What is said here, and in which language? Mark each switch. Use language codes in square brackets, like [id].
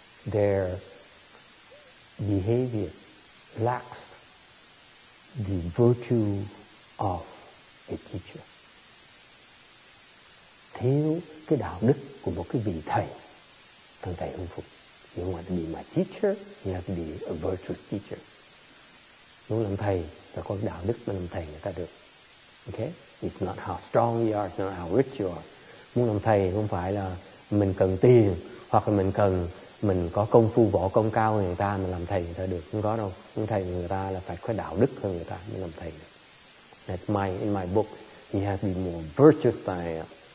[en] Their behavior lacks the virtue of a teacher. [vi] Thiếu cái đạo đức của một cái vị thầy, thằng thầy ứng phục. [en] You want to be my teacher, you have to be a virtuous teacher. [vi] Muốn làm thầy, phải có đạo đức mà làm thầy người ta được. [en] Okay? It's not how strong you are, it's not how rich you are. [vi] Muốn làm thầy không phải là mình cần tiền, hoặc là mình cần mình có công phu võ công cao hơn người ta mà làm thầy người ta được. Không có đâu. Muốn thầy người ta là phải có đạo đức hơn người ta mới làm thầy được. [en] That's my, in my book, you have to be more virtuous than I am.